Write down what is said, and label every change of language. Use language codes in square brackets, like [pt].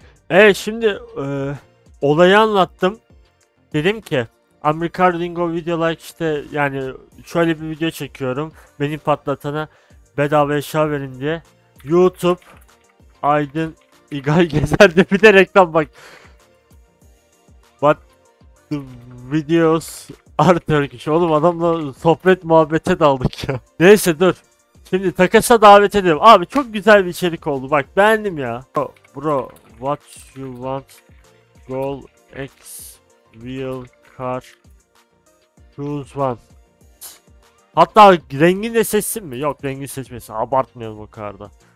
[tr] Evet şimdi olayı anlattım. Dedim ki [en] I'm recording a video like [tr] işte yani şöyle bir video çekiyorum. Beni patlatana bedava eşya verin diye. YouTube Aydın İgal Gezer diye bir de reklam bak. [en] But the videos are Turkish. [tr] Oğlum adamla sohbet muhabbete daldık ya. Neyse dur. Şimdi takasa davet edelim. Abi çok güzel bir içerik oldu. Bak beğendim ya. [en] Bro, what you want? Goal X wheel car. Choose one. [tr] Hatta rengini de seçsin mi? Yok rengini seçmesin. Abartmayalım o kadar da.